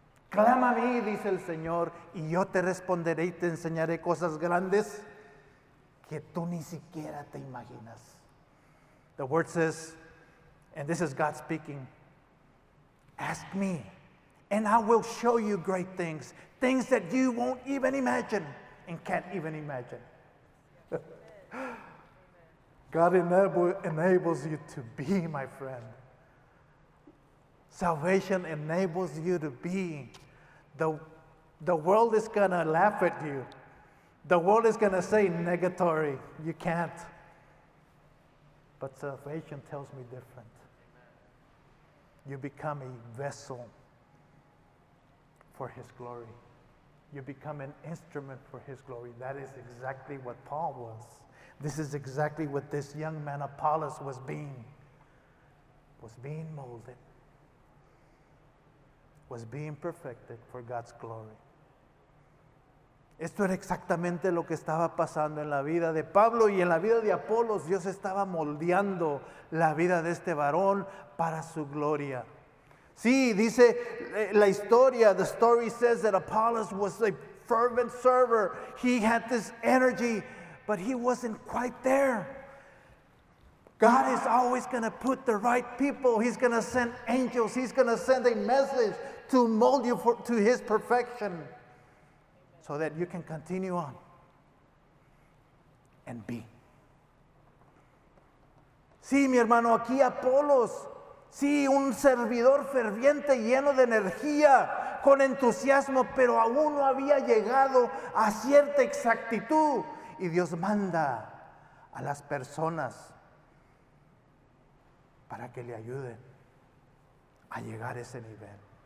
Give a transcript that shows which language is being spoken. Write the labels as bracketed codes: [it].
[es] Clama a mí, dice el Señor, y yo te responderé y te enseñaré cosas grandes que tú ni siquiera te imaginas. [en] The word says, and this is God speaking, ask me, and I will show you great things, things that you won't even imagine and can't even imagine. God enables you to be, my friend. Salvation enables you to be. The world is gonna laugh at you. The world is going to say negatory. You can't. But salvation tells me different. You become a vessel for His glory. You become an instrument for His glory. That is exactly what Paul was. This is exactly what this young man Apollos was being molded, was being perfected for God's glory. [es] Esto era exactamente lo que estaba pasando en la vida de Pablo y en la vida de Apolos. Dios estaba moldeando la vida de este varón para su gloria. Sí, dice la historia, [en] the story says that Apollos was a fervent server. He had this energy, but he wasn't quite there. God is always going to put the right people. He's going to send angels. He's going to send a message to mold you to His perfection so that you can continue on and be. [es] Sí, mi hermano, aquí Apolos. Sí, un servidor ferviente, lleno de energía, con entusiasmo, pero aún no había llegado a cierta exactitud. Y Dios manda a las personas para que le ayuden a llegar a ese nivel.